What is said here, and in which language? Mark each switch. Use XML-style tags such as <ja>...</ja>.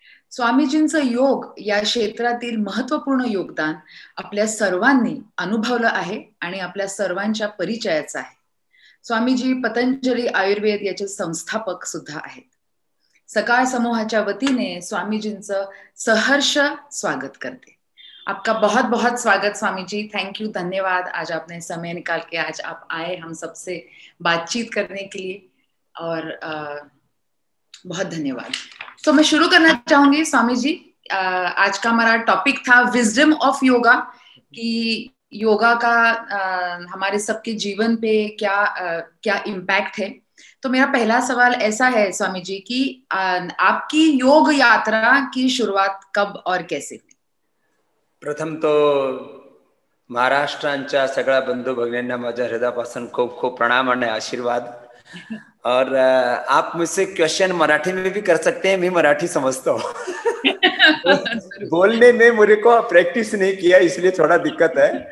<mr>स्वामीजींचं योग या क्षेत्रातील महत्त्वपूर्ण योगदान आपल्या सर्वांनी अनुभवलं आहे आणि आपल्या सर्वांच्या परिचयाचं आहे. स्वामीजी पतंजली आयुर्वेद याचे संस्थापक सुद्धा आहेत. सकाळ समूहाच्या वतीने स्वामीजींचं सहर्ष स्वागत करते.</mr> <hi>आपका बहुत बहुत स्वागत स्वामी जी. थैंक यू, धन्यवाद. आज आपने समय निकाल के आज आप आए हम सबसे बातचीत करने के लिए और बहुत धन्यवाद. तो मैं शुरू करना चाहूंगी स्वामी जी. आज का हमारा टॉपिक था विजडम ऑफ योगा, कि योगा का हमारे सबके जीवन पे क्या क्या इम्पैक्ट है. तो मेरा पहला सवाल ऐसा है स्वामी जी कि आपकी योग यात्रा की शुरुआत कब और कैसे.</hi> <mr>प्रथम तो महाराष्ट्रांच्या सगळ्या बंधू भगिनींना माझ्या हृदयापासून खूप खूप प्रणाम आणि आशीर्वाद.</mr> <hi>और आप मुझसे क्वेश्चन मराठी में भी कर सकते हैं,</hi> <mr>मी मराठी समजतो.</mr> <hi>बोलने में मुझे को प्रैक्टिस नहीं किया इसलिए थोड़ा दिक्कत है.</hi>